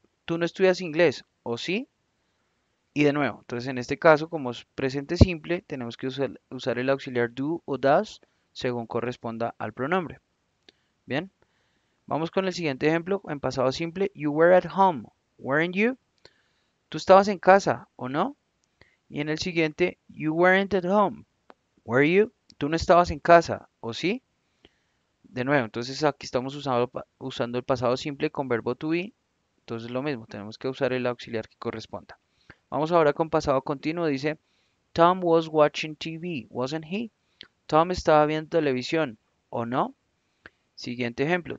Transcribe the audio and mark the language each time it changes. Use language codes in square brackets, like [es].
[es] ¿Tú no estudias inglés o sí? Y de nuevo, entonces en este caso, como es presente simple, tenemos que usar el auxiliar do o does según corresponda al pronombre. Bien. Vamos con el siguiente ejemplo en pasado simple. [en] You were at home, weren't you? [es] ¿Tú estabas en casa o no? Y en el siguiente, [en] You weren't at home, were you? [es] ¿Tú no estabas en casa o sí? De nuevo, entonces aquí estamos usando el pasado simple con verbo to be. Entonces lo mismo, tenemos que usar el auxiliar que corresponda. Vamos ahora con pasado continuo. Dice, [en] Tom was watching TV, wasn't he? [es] Tom estaba viendo televisión o no? Siguiente ejemplo.